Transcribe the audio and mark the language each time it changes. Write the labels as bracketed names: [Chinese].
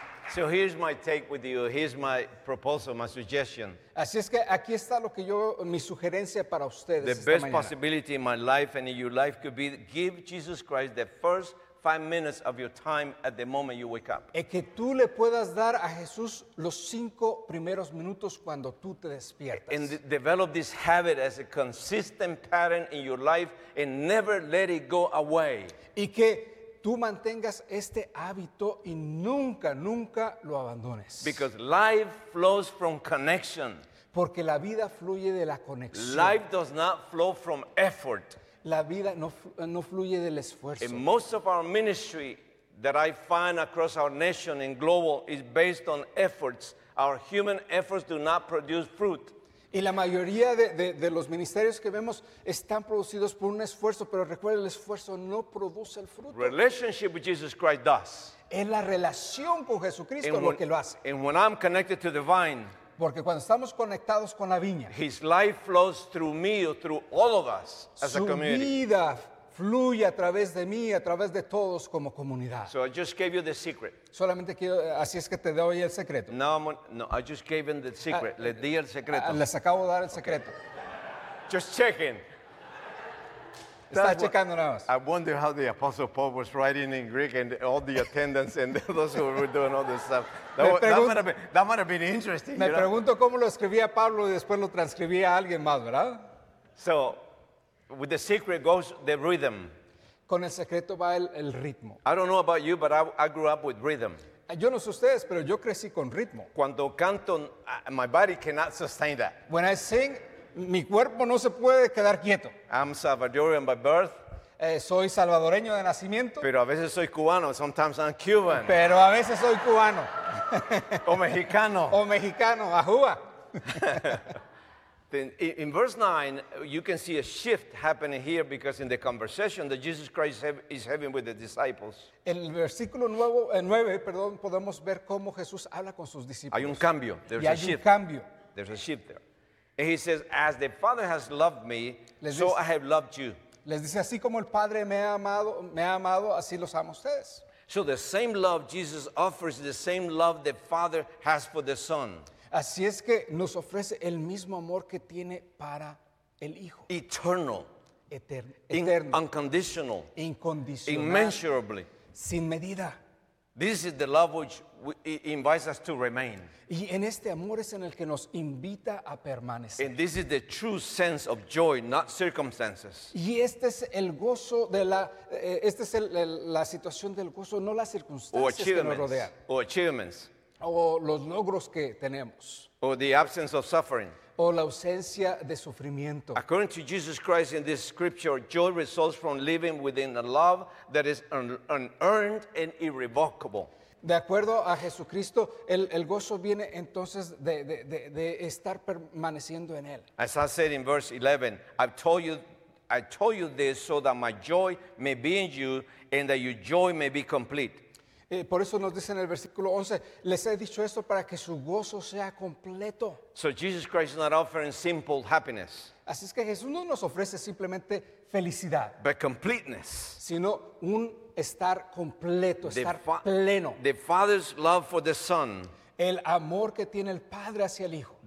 [English] So here's my take with you. Here's my proposal, my suggestion. [Spanish] Así es que aquí está lo que yo, mi sugerencia para ustedes. [English] The best possibility in my life and in your life could be give Jesus Christ the first 5 minutes of your time at the moment you wake up. [Spanish] Es que tú le puedas dar a Jesús los 5 primeros minutos cuando tú te despiertas. [English] And develop this habit as a consistent pattern in your life and never let it go away. [Spanish] Y que tú mantengas este hábito y nunca, nunca lo abandones. [English] Because life flows from connection. [Spanish] Porque la vida fluye de la conexión. [English] Life does not flow from effort. [Spanish] La vida no fluye del esfuerzo. [English] In most of our ministry that I find across our nation and global is based on efforts. Our human efforts do not produce fruit. [Spanish] Y la mayoría de los ministerios que vemos están producidos por un esfuerzo, pero recuerda, el esfuerzo no produce el fruto. [English] Relationship with Jesus Christ does. [Spanish] Es la relación con Jesucristo lo que lo hace. [English] And when I'm connected to the vine, [Spanish] porque cuando estamos conectados con la viña, [English] his life flows through me or through all of us as a community. [Spanish] Su vida fluye a través de mí, a través de todos como comunidad. [English] So I just gave you the secret. [Spanish] Solamente quiero, así es que te doy el secreto. [English] No, I just gave him the secret. [Spanish] Les di el secreto. Les acabo de dar el secreto. [English] Okay. Just checking. [Spanish] Está checando nada más. [English] I wonder how the Apostle Paul was writing in Greek and all the attendants and those who were doing all this stuff. That might have been interesting. [Spanish] Me pregunto cómo lo escribía Pablo y después lo transcribía a alguien más, ¿verdad? [English] So, with the secret goes the rhythm. [Spanish] Con el secreto va el ritmo. [English] I don't know about you, but I grew up with rhythm. [Spanish] Yo no sé ustedes, pero yo crecí con ritmo. Cuando canto, [English] my body cannot sustain that. When I sing, [Spanish] mi cuerpo no se puede quedar quieto. [English] I'm Salvadorian by birth. [Spanish] Soy salvadoreño de nacimiento. Pero a veces soy cubano. [English] Sometimes I'm Cuban. [Spanish] Pero a veces soy cubano. O mexicano. O mexicano, ajúa. [English] Then in verse 9, you can see a shift happening here because in the conversation that Jesus Christ is having with the disciples. [Spanish] En el versículo 9, perdón, podemos ver cómo Jesús habla con sus discípulos. Hay un cambio. There's y [English] a [Spanish] hay [English] shift. [Spanish] Un cambio. [English] There's a shift there. And he says, as the Father has loved me, [Spanish] les [English] so [Spanish] dice, [English] I have loved you. [Spanish] Les dice, así como el Padre me ha amado, así los amo ustedes. [English] So the same love Jesus offers, the same love the Father has for the Son. [Spanish] Así es que nos ofrece el mismo amor que tiene para el Hijo. [English] Eternal. [Spanish] Eterno. [English] Unconditional. [Spanish] Incondicional. [English] Immeasurably. [Spanish] Sin medida. [English] This is the love which invites us to remain. [Spanish] Y en este amor es en el que nos invita a permanecer. [English] And this is the true sense of joy, not circumstances. [Spanish] Y este es el gozo de la, este es la situación del gozo, no las circunstancias que nos rodean. [English] Or achievements. [Spanish] O los logros que tenemos. [English] Or the absence of suffering. [Spanish] O la ausencia de sufrimiento. [English] According to Jesus Christ in this scripture, joy results from living within a love that is unearned and irrevocable. [Spanish] De acuerdo a Jesucristo, el gozo viene entonces de estar permaneciendo en él. [English] As I said in verse 11, I told you this so that my joy may be in you and that your joy may be complete. [Spanish] Por eso nos dice en el versículo 11, les he dicho esto para que su gozo sea completo. [English] So Jesus Christ is not offering simple happiness. [Spanish] Así es que Jesús no nos ofrece simplemente felicidad. [English] But completeness. [Spanish] Sino un estar completo, estar pleno. [English] The Father's love for the Son. [Spanish] El amor que tiene el Padre hacia el Hijo.